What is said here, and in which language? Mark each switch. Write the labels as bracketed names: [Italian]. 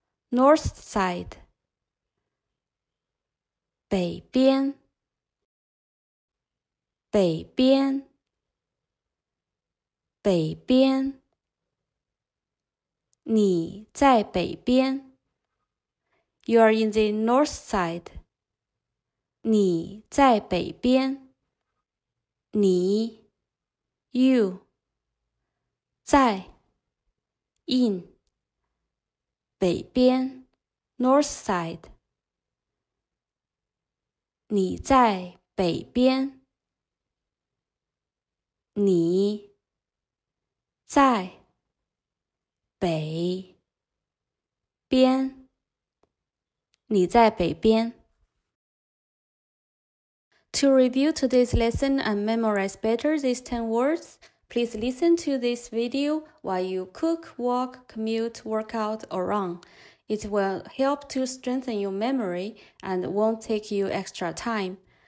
[English] North side [Chinese] 北边北边北边你在北边 [English] You are in the north side [Chinese] 你在北边你 [English] you [Chinese] 在 [English] in [Chinese] 北边 [English] north side [Chinese] 你在北边你在北边你在北边 [English] To review today's lesson and memorize better these 10 words, please listen to this video while you cook, walk, commute, work out, or run. It will help to strengthen your memory and won't take you extra time.